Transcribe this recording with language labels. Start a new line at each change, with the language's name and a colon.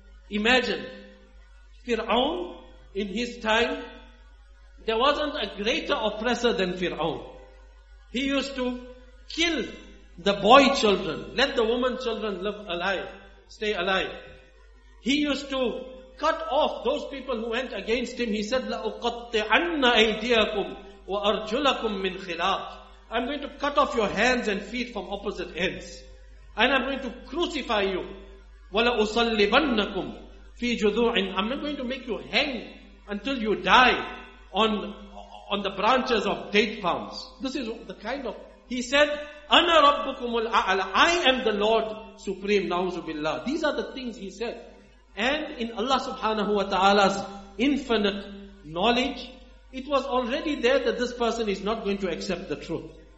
English: Imagine, Fir'aun, in his time, there wasn't a greater oppressor than Fir'aun. He used to kill the boy children, let the woman children live alive, stay alive. He used to cut off those people who went against him. He said,
Arabic: لَأُقَطِّعَنَّ أَيْدِيَكُمْ وَأَرْجُلَكُمْ مِنْ خِلَافٍ.
English: I'm going to cut off your hands and feet from opposite ends. And I'm going to crucify you.
Arabic: وَلَأُصَلِّبَنَّكُمْ فِي جُذُوعٍ.
English: I'm not going to make you hang until you die on the branches of date palms. This is the kind of... He said,
Arabic: أَنَا رَبُّكُمُ الْأَعْلَى.
English: I am the Lord Supreme,
Arabic: نَعُوذُ بِاللَّهِ.
English: These are the things he said. And in Allah subhanahu wa ta'ala's infinite knowledge, it was already there that this person is not going to accept the truth.